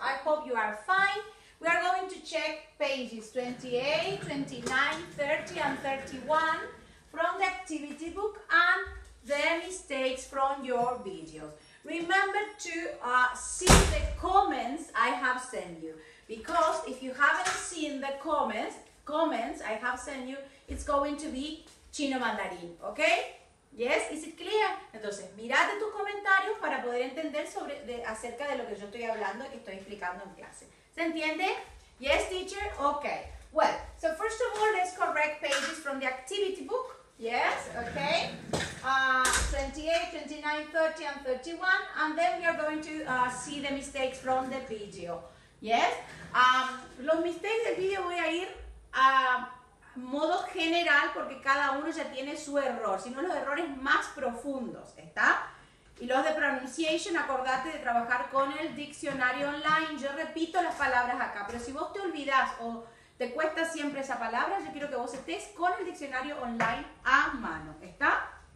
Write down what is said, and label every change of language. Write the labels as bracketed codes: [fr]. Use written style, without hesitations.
[en] I hope you are fine. We are going to check pages 28, 29, 30, and 31 from the activity book and the mistakes from your videos. Remember to see the comments I have sent you, because if you haven't seen the comments I have sent you, it's going to be [es] chino mandarín, [en] okay? Yes, is it clear? [es] Entonces, mirate tus comentarios para poder entender acerca de lo que yo estoy hablando y estoy explicando en clase. ¿Se entiende? [en] Yes, teacher? Okay. Well, so first of all, let's correct pages from the activity book. Yes, okay. 28, 29, 30, and 31. And then we are going to see the mistakes from the video. Yes? [es] Los mistakes del video voy a ir a modo general porque cada uno ya tiene su error, sino los errores más profundos, ¿está? Y los de pronunciation, acordate de trabajar con el diccionario online. Yo repito las palabras acá, pero si vos te olvidás o te cuesta siempre esa palabra, yo quiero que vos estés con el diccionario online a mano, ¿está?